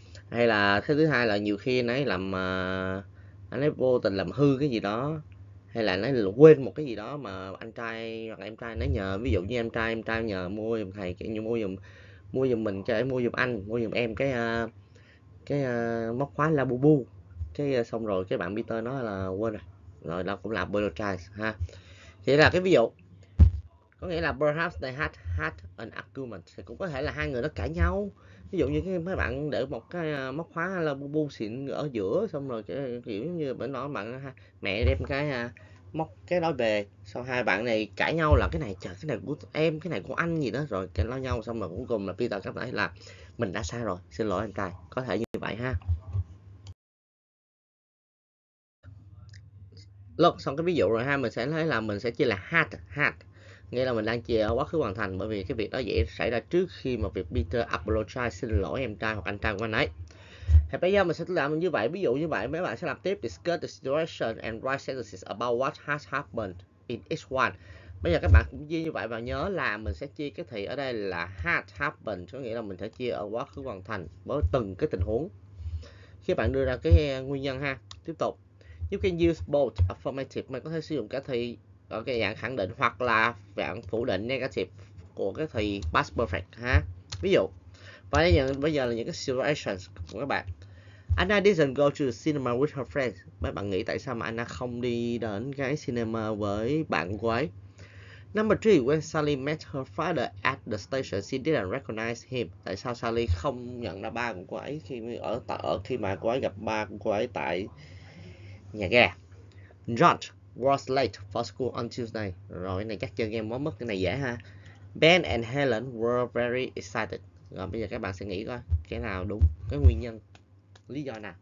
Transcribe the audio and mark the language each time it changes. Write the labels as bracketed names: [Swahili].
[Vietnamese] Hay là thứ hai là nhiều khi anh ấy làm anh ấy vô tình làm hư cái gì đó, hay là anh ấy quên một cái gì đó mà anh trai hoặc em trai anh ấy nhờ. Ví dụ như em trai nhờ mua giùm thầy, như mua giùm mình, cho mua giùm anh, mua giùm em cái móc khóa Labubu. Cái xong rồi cái bạn Peter nói là quên rồi. Rồi đó cũng là apologize ha. Thì là cái ví dụ. Có nghĩa là [English] perhaps they had an argument. [Vietnamese] Thì cũng có thể là hai người đó cãi nhau. Ví dụ như mấy bạn để một cái móc khóa là bu bu xịn ở giữa. Xong rồi kiểu như bữa nói bạn mẹ đem cái móc cái đó về. Xong hai bạn này cãi nhau là cái này chờ cái này của em, cái này của anh gì đó. Rồi cãi nhau xong rồi cuối cùng là Peter cảm thấy là mình đã sai rồi. Xin lỗi anh trai. Có thể như vậy ha. Lúc xong cái ví dụ rồi ha, mình sẽ thấy là mình sẽ chia là had, nghĩa là mình đang chia ở quá khứ hoàn thành, bởi vì cái việc đó dễ xảy ra trước khi mà việc Peter apologize xin lỗi em trai hoặc anh trai của anh ấy. Thì bây giờ mình sẽ làm như vậy, ví dụ như vậy, mấy bạn sẽ làm tiếp. [English] Discuss the situation and write sentences about what has happened in each one. [Vietnamese] Bây giờ các bạn cũng chia như vậy và nhớ là mình sẽ chia cái thì ở đây là had happened, có nghĩa là mình sẽ chia ở quá khứ hoàn thành với từng cái tình huống khi bạn đưa ra cái nguyên nhân ha. Tiếp tục. [English] You can use both affirmative, [Vietnamese] mình có thể sử dụng cái thì ở cái dạng khẳng định hoặc là dạng phủ định negative của cái thì past perfect ha. Ví dụ, và bây giờ là những cái situations của các bạn. [English] Anna didn't go to the cinema with her friends. [Vietnamese] Mấy bạn nghĩ tại sao mà Anna không đi đến cái cinema với bạn cô ấy? [English] Number 3, when Sally met her father at the station, she didn't recognize him. [Vietnamese] Tại sao Sally không nhận ra ba của cô ấy khi mà cô ấy gặp ba của cô ấy tại nhà ga. [English] George was late for school on Tuesday. [Vietnamese] Rồi cái này chắc chơi game mất cái này dễ ha. [English] Ben and Helen were very excited. [Vietnamese] Rồi bây giờ các bạn sẽ nghĩ coi cái nào đúng, cái nguyên nhân, lý do nào.